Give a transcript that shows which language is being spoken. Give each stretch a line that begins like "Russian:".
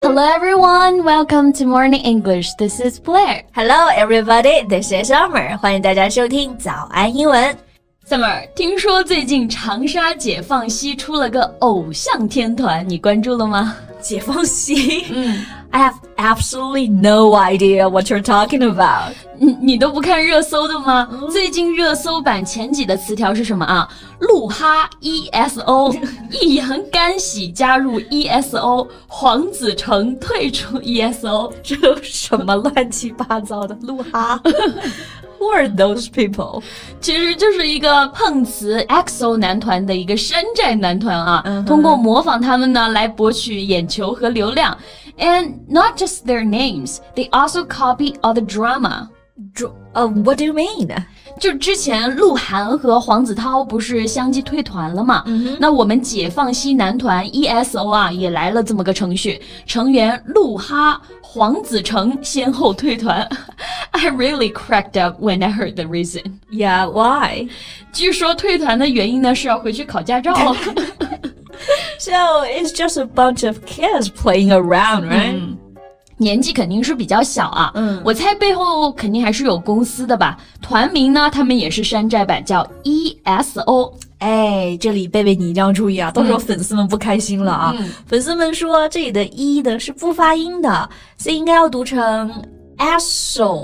English: Hello everyone, welcome to Morning English, this is Blair. Hello everybody, this is Summer,
Chinese: 欢迎大家收听早安英文。 Summer, 听说最近长沙解放西出了个偶像天团，你关注了吗？解放西？
English: I have absolutely no idea what you're talking about.
Chinese: 你都不看热搜的吗？最近热搜榜前几的词条是什么啊？鹿哈 ESO, 易烊干喜加入 ESO, 黄子诚退出 ESO, 这什么乱七八糟的鹿哈。
English: Who are those people?
Chinese: 其实就是一个碰瓷 EXO 男团的一个山寨男团啊、通过模仿他们呢来博取眼球和流量。
English: And not just their names, they also copy all the drama. What do you mean?
Chinese: 就之前鹿晗和黄子韬不是相继退团了吗、那我们解放西男团 ESO 啊也来了这么个程序，成员鹿哈黄子诚先后退团。
English: I really cracked up when I heard the reason. Yeah, why?
Chinese: 据说退团的原因呢是要回去考驾照。
English: So it's just a bunch of kids playing around, right?、
Chinese: 年纪肯定是比较小啊，我猜背后肯定还是有公司的吧。团名呢，他们也是山寨版，叫 ESO。哎，这里贝贝你一定要注意啊，到时候粉丝们不开心了啊。粉丝们说这里的 E 呢是不发音的，所以应该要读成 ESO。